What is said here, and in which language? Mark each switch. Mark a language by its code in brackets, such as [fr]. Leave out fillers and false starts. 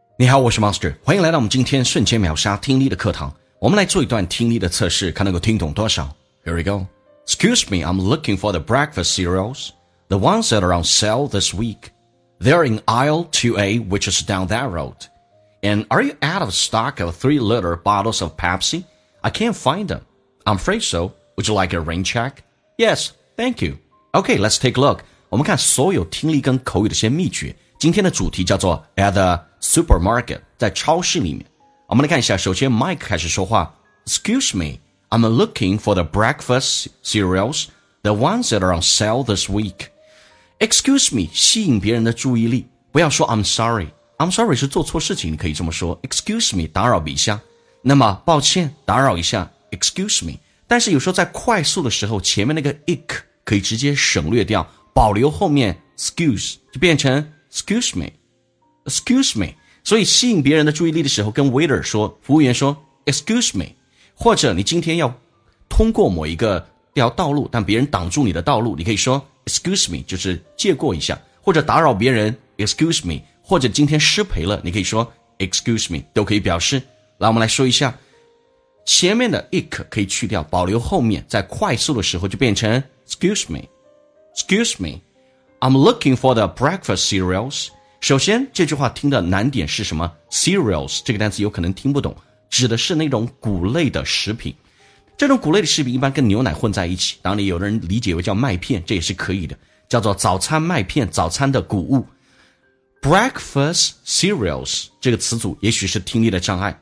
[zh] 你好，我是 Monster， 欢迎来到我们今天瞬间秒杀听力的课堂。我们来做一段听力的测试，看能够听懂多少。 [en] Here we go. Excuse me, I'm looking for the breakfast cereals. The ones that are on sale this week. They're in aisle 2A, which is down that road. And are you out of stock of 3-liter bottles of Pepsi? I can't find them. I'm afraid so. Would you like a rain check? Yes, thank you. Okay, let's take a look. [zh] 我们看所有听力跟口语的一些秘诀。今天的主题叫做 [en] at the supermarket， [zh] 在超市里面。我们来看一下，首先 Mike 开始说话。 [en] Excuse me, I'm looking for the breakfast cereals, the ones that are on sale this week. Excuse me， [zh] 吸引别人的注意力，不要说 [en] I'm sorry。 I'm sorry [zh] 是做错事情，你可以这么说。 [en] Excuse me， [zh] 打扰一下。那么抱歉，打扰一下。 [en] Excuse me， [zh] 但是有时候在快速的时候，前面那个 ick 可以直接省略掉，保留后面 excuse， 就变成 [en] Excuse me. [zh] 所以吸引别人的注意力的时候，跟 waiter 说，服务员说 [en] excuse me， [zh] 或者你今天要通过某一个条道路，但别人挡住你的道路，你可以说 excuse me， 就是借过一下，或者打扰别人 excuse me， 或者今天失陪了，你可以说 excuse me， 都可以表示。来，我们来说一下，前面的 ick 可以去掉，保留后面，在快速的时候就变成 [en] excuse me. I'm looking for the breakfast cereals. [zh] 首先这句话听的难点是什么？Cereals 这个单词有可能听不懂，指的是那种谷类的食品。这种谷类的食品一般跟牛奶混在一起，当然有的人理解为叫麦片，这也是可以的，叫做早餐麦片，早餐的谷物。 [en] Breakfast cereals [zh] 这个词组也许是听力的障碍。